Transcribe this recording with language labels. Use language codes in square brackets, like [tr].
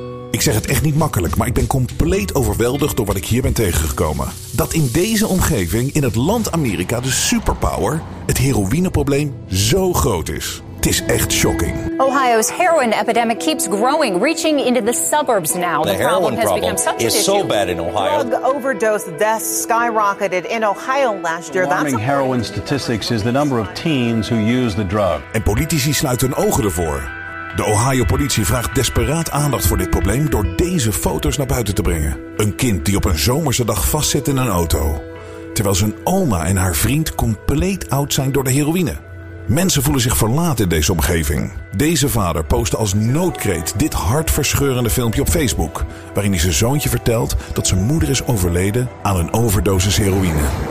[nl] Ik zeg het echt niet makkelijk, maar ik ben compleet overweldigd door wat ik hier ben tegengekomen. Dat in deze omgeving, in het land Amerika, de superpower, het heroïneprobleem zo groot is. Het is echt shocking. [en] Ohio's heroin epidemic keeps growing, reaching into the suburbs now. The heroin problem has become such an issue. So bad in Ohio. Drug overdose deaths skyrocketed in Ohio last year. Alarming heroin statistics is the number of teens who use the drug. [nl] En politici sluiten hun ogen ervoor. De Ohio-politie vraagt desperaat aandacht voor dit probleem door deze foto's naar buiten te brengen. Een kind die op een zomerse dag vastzit in een auto. Terwijl zijn oma en haar vriend compleet oud zijn door de heroïne. Mensen voelen zich verlaten in deze omgeving. Deze vader postte als noodkreet dit hartverscheurende filmpje op Facebook, waarin hij zijn zoontje vertelt dat zijn moeder is overleden aan een overdosis heroïne.